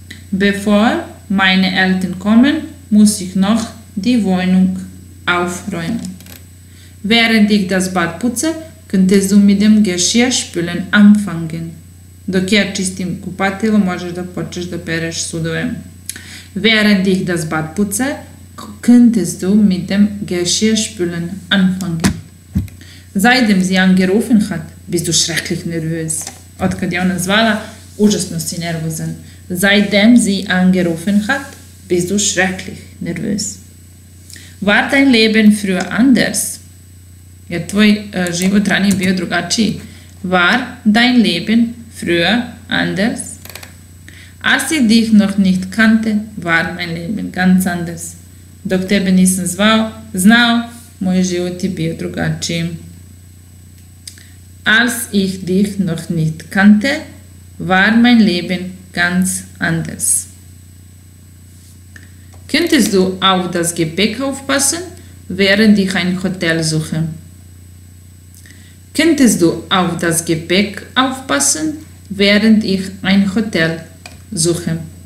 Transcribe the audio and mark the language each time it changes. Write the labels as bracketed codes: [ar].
[de] Bevor meine Eltern kommen, muss ich noch die Wohnung aufräumen. Während ich das Bad putze, könntest du mit dem Geschirr spülen anfangen. [sr] Dok ja čistim kupatilo, možeš da počneš da pereš sudove. [de] Während ich das Bad putze, könntest du mit dem Geschirrspülen anfangen. Seitdem sie angerufen hat, bist du schrecklich nervös. [sr] Otkad je ona zvala, užasno si nervozan. [de] Seitdem sie angerufen hat, bist du schrecklich nervös. War dein Leben früher anders? [sr] Je tvoj život ranije bio drugačiji. [de] War dein Leben früher anders? Als ich dich noch nicht kannte, war mein Leben ganz anders. [sr] Dok tebe nisam znao, moj život je bio drugačiji. [de] Als ich dich noch nicht kannte, war mein Leben ganz anders. Könntest du auf das Gepäck aufpassen, während ich ein Hotel suche? Könntest du auf das Gepäck aufpassen, während ich ein Hotel suche?